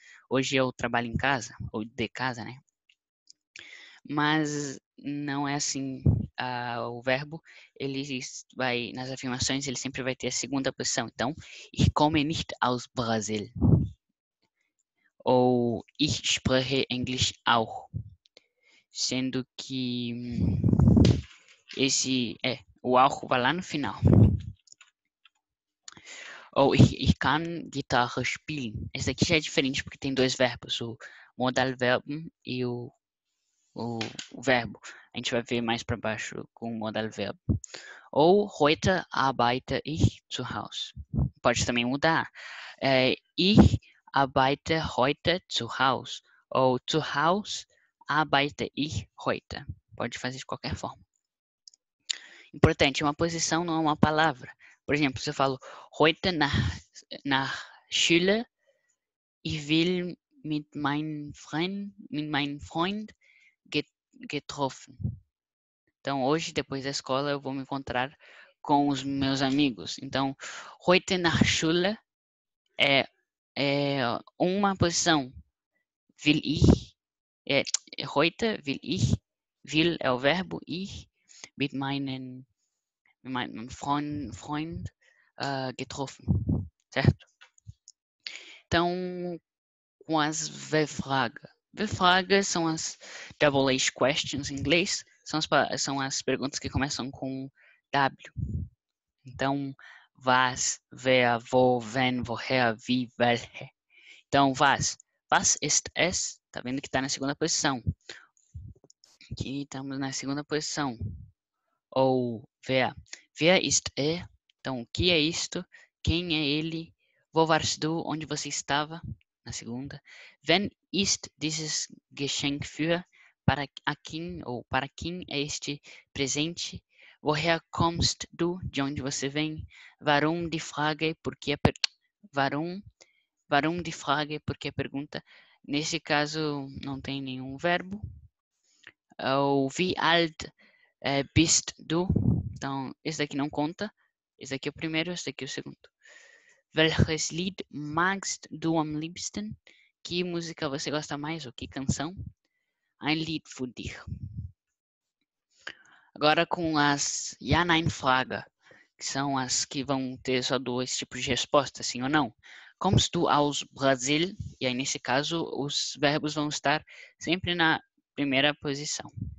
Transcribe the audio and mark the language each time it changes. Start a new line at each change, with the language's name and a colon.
Portuguese: Hoje eu trabalho em casa. Ou de casa, né? Mas não é assim. O verbo, ele vai, nas afirmações, ele sempre vai ter a segunda posição. Então,
German: ich komme nicht aus Brasil.
Portuguese: Ou,
German: ich spreche Englisch auch.
Portuguese: Sendo que esse, o auch vai lá no final. Ou,
German: ich kann Gitarre spielen.
Portuguese: Esse aqui já é diferente, porque tem dois verbos. O modal verbum e o verbo. A gente vai ver mais para baixo com o modal verbo.
German: Ou, heute arbeite ich zu Hause.
Portuguese: Pode também mudar.
German: Ich arbeite heute zu Hause. Ou, zu Hause arbeite ich heute.
Portuguese: Pode fazer de qualquer forma. Importante, uma posição não é uma palavra. Por exemplo, se eu falo,
German: heute nach Schule, ich will mit meinem Freund getroffen.
Portuguese: Então, hoje, depois da escola, eu vou me encontrar com os meus amigos. Então,
German: heute nach Schule
Portuguese: é uma posição.
German: Will ich, heute will ich, will
Portuguese: é o verbo,
German: ich, mit meinem Freund getroffen.
Portuguese: Certo? Então, com as V-Frage. V-Frage são as
English: double H questions
Portuguese: em inglês. São as perguntas que começam com W. Então,
German: was, wer, wo, wenn, woher, wie, welche.
Portuguese: Então,
German: was ist es?
Portuguese: Tá vendo que tá na segunda posição. Aqui estamos na segunda posição. Ou,
German: wer ist er?
Portuguese: Então, o que é isto? Quem é ele?
German: Wo warst du?
Portuguese: Onde você estava? Na segunda.
German: Wenn ist dieses Geschenk für?
Portuguese: Para a quem ou para quem é este presente?
German: Woher kommst du?
Portuguese: De onde você vem?
German: Warum die Frage?
Portuguese: Porque
German: warum die Frage?
Portuguese: Porque a pergunta. Nesse caso não tem nenhum verbo. Ou
German: wie alt bist du?
Portuguese: Então, esse daqui não conta. Esse daqui é o primeiro, esse daqui é o segundo.
German: Welches Lied magst du am liebsten?
Portuguese: Que música você gosta mais ou que canção?
German: Ein Lied für dich.
Portuguese: Agora com as Ja, Nein, Frage, que são as que vão ter só dois tipos de resposta, sim ou não.
German: Kommst du aus Brasil?
Portuguese: E aí, nesse caso, os verbos vão estar sempre na primeira posição.